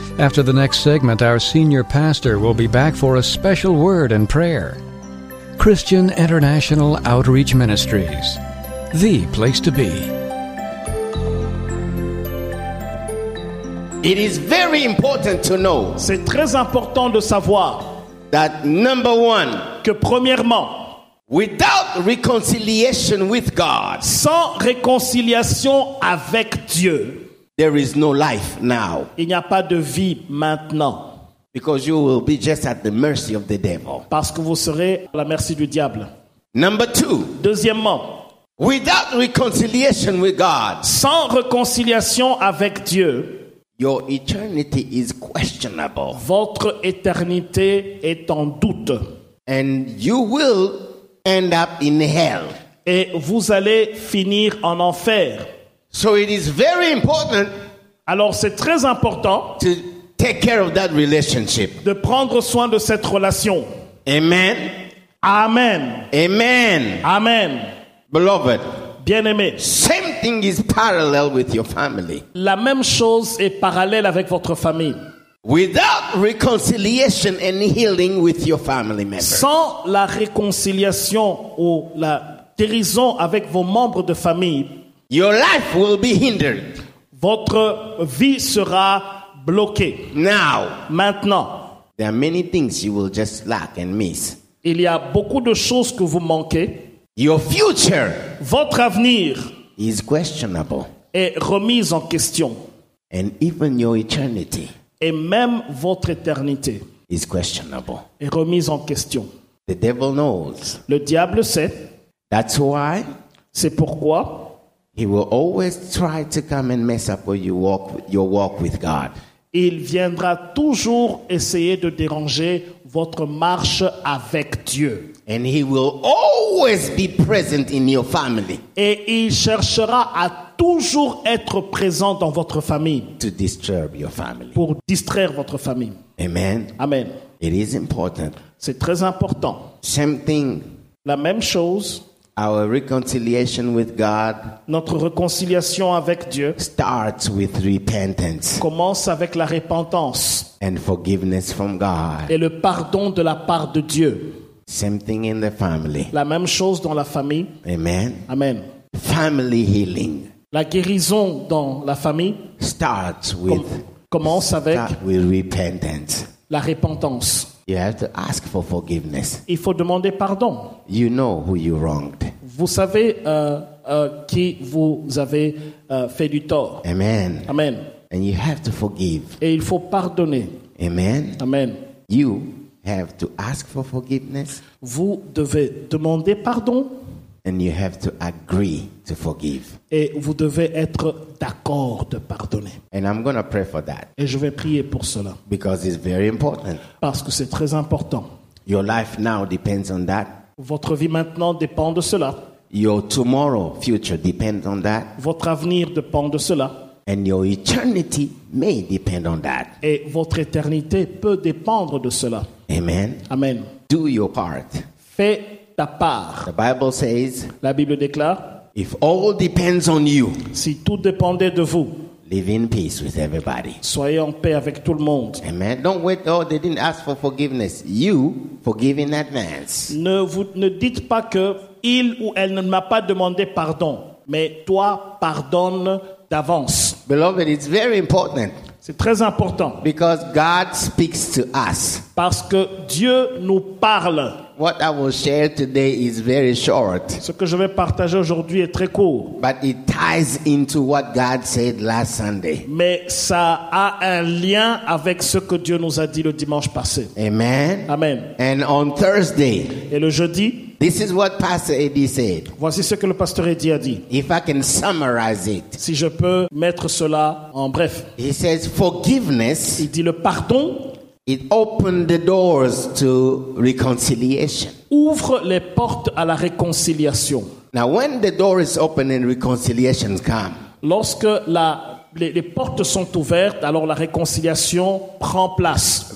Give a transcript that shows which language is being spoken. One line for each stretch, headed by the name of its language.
English: After the next segment, our senior pastor will be back for a special word and prayer. Christian International Outreach Ministries, the place to be. It is very important to know.
French: C'est très important de savoir.
English: That number one.
French: Que premièrement.
English: Without reconciliation with God,
French: sans réconciliation avec Dieu,
English: there is no life now.
French: Il n'y a pas de vie maintenant.
English: Because you will be just at the mercy of the devil.
French: Parce que vous serez à la merci du diable.
English: Number two.
French: Deuxièmement.
English: Without reconciliation with God,
French: sans réconciliation avec Dieu,
English: your eternity is questionable.
French: Votre éternité est en doute.
English: And you will end up in hell.
French: Et vous allez finir en enfer.
English: So it is very important.
French: Alors c'est très important.
English: To take care of that relationship.
French: De prendre soin de cette relation.
English: Amen.
French: Amen.
English: Amen.
French: Amen.
English: Beloved.
French: Bien-aimé.
English: Same thing is parallel with your family.
French: La même chose est parallèle avec votre famille.
English: Without reconciliation and healing with your family members.
French: Sans la réconciliation ou la guérison avec vos membres de famille,
English: your life will be hindered.
French: Votre vie sera bloquée.
English: Now,
French: maintenant,
English: there are many things you will just lack and miss.
French: Il y a beaucoup de choses que vous manquez.
English: Your future,
French: votre avenir,
English: is questionable.
French: Est remis en question.
English: And even your eternity,
French: et même votre éternité,
English: is questionable.
French: Est remise en question.
English: The devil knows.
French: Le diable sait.
English: That's why.
French: C'est pourquoi.
English: He will always try to come and mess up your walk with God.
French: Il viendra toujours essayer de déranger votre marche avec Dieu.
English: And he will always be present in your family.
French: Et il cherchera à toujours être présent dans votre famille.
English: To disturb your family.
French: Pour distraire votre famille.
English: Amen.
French: Amen.
English: It is important.
French: C'est très important.
English: Same thing.
French: La même chose.
English: Our reconciliation with God.
French: Notre réconciliation avec Dieu.
English: Starts with repentance.
French: Commence avec la repentance.
English: And forgiveness from God.
French: Et le pardon de la part de Dieu.
English: Same thing in the family.
French: La même chose dans la famille.
English: Amen.
French: Amen.
English: Family healing.
French: La guérison dans la famille.
English: Starts with.
French: Commence avec.
English: Start with repentance.
French: La repentance.
English: You have to ask for forgiveness.
French: Il faut demander pardon.
English: You know who you wronged.
French: Vous savez qui vous avez fait du tort.
English: Amen.
French: Amen.
English: And you have to forgive.
French: Et il faut pardonner.
English: Amen.
French: Amen.
English: You have to ask for forgiveness.
French: Vous devez demander pardon.
English: And you have to agree to forgive.
French: Et vous devez être d'accord de pardonner.
English: And I'm going to pray for that.
French: Et je vais prier pour cela.
English: Because it's very important.
French: Parce que c'est très important.
English: Your life now depends on that.
French: Votre vie maintenant dépend de cela.
English: Your tomorrow future depends on that.
French: Votre avenir dépend de cela.
English: And your eternity may depend on that.
French: Et votre éternité peut dépendre de cela.
English: Amen.
French: Amen.
English: Do your part.
French: Fais ta part.
English: The Bible says,
French: la Bible déclare,
English: if all depends on you,
French: si tout dépendait de vous,
English: live in peace with everybody.
French: Soyez en paix avec tout le monde.
English: Amen. Don't wait, oh, they didn't ask for forgiveness. You forgive in advance.
French: Ne dites pas que il ou elle ne m'a pas demandé pardon, mais toi pardonne d'avance.
English: Beloved, it's very important.
French: C'est très important.
English: Because God speaks to us.
French: Parce que Dieu nous parle.
English: What I will share today is very short.
French: Ce que je vais partager aujourd'hui est très court.
English: But it ties into what God said last Sunday.
French: Mais ça a un lien avec ce que Dieu nous a dit le dimanche passé.
English: Amen.
French: Amen.
English: And on Thursday.
French: Et le jeudi.
English: This is what Pastor Eddie said.
French: Voici ce que le pasteur Eddie a dit.
English: If I can summarize it.
French: Si je peux mettre cela en bref.
English: He says forgiveness.
French: Il dit le pardon.
English: It opened the doors to reconciliation.
French: Ouvre les portes à la réconciliation.
English: Now, when the door is open and reconciliation comes,
French: lorsque les portes sont ouvertes, alors la réconciliation prend place.